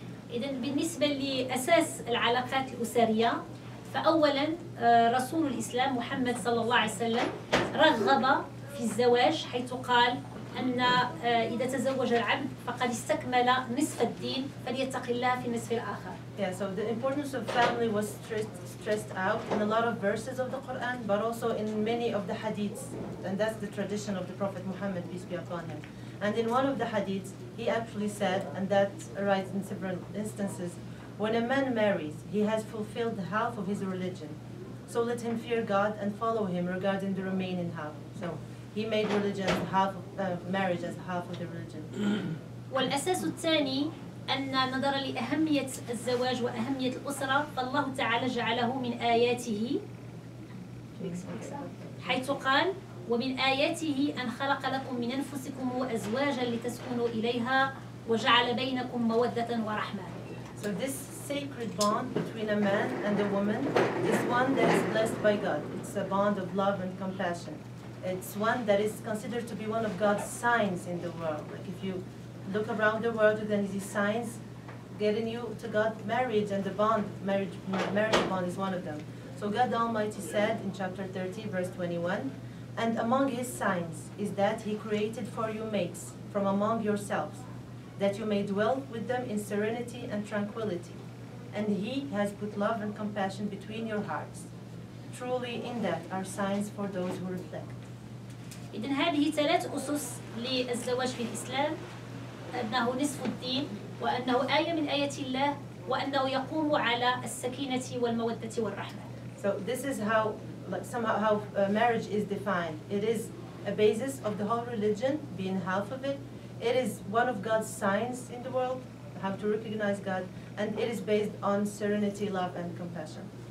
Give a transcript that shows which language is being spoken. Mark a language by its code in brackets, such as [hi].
[ar] إذن بالنسبة لأساس العلاقات الأسرية فأولا رسول الإسلام محمد صلى الله عليه وسلم رغب في الزواج حيث قال أن إذا تزوج العبد فقد استكمل نصف الدين فليتق الله في النصف الآخر. [en] Yeah, so the importance of family was stressed out in a lot of verses of the Quran, but also in many of the hadiths, and that's the tradition of the Prophet Muhammad, peace be upon him. And in one of the hadiths, he actually said, and that arises in several instances, when a man marries, he has fulfilled half of his religion. So let him fear God and follow him regarding the remaining half. So he made religion half of, marriage as half of the religion. [ar] والأساس الثاني أن نظرا لأهمية الزواج وأهمية الأسرة فالله تعالى جعله من آياته حيث قال ومن آياته أن خلق لكم من أنفسكم أزواجا لتسكنوا إليها وجعل بينكم مودة ورحمة. [en] So this sacred bond between a man and a woman is one that is blessed by God. It's a bond of love and compassion. It's one that is considered to be one of God's signs in the world. Like if you look around the world with any signs getting you to God, marriage and the bond, marriage bond is one of them. So God Almighty said in chapter 30, verse 21, and among his signs is that he created for you mates from among yourselves, that you may dwell with them in serenity and tranquility. And he has put love and compassion between your hearts. Truly in that are signs for those who reflect. [ar] إذن هذه ثلاث أسس للزواج في الإسلام. أنه نصف الدين وأنه آية من آيات الله وأنه يقوم على السكينة والمودة والرحمة. [en] So this is how, like somehow how marriage is defined. It is a basis of the whole religion, being half of it. It is one of God's signs in the world, how to recognize God, and it is based on serenity, love, and compassion.